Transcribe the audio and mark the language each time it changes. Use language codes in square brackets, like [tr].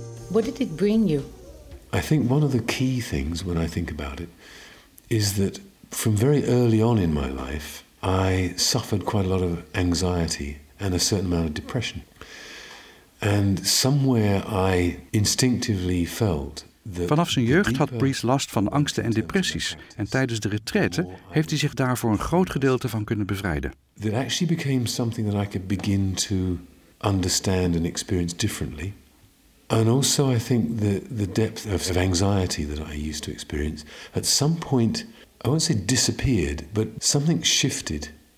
[en] What did it bring you? I think one of the key things when I think about it is that from very early on in my life, I suffered quite a lot of anxiety and a certain amount of depression. And somewhere I instinctively felt that. [nl] Vanaf zijn jeugd had Breeze last van angsten en depressies. En tijdens de retraite heeft hij zich daarvoor een groot gedeelte van kunnen bevrijden. [en] That actually became something that I could begin to understand and experience differently. And also I think the depth of anxiety that I used to experience, at some point, I won't say disappeared, but something shifted.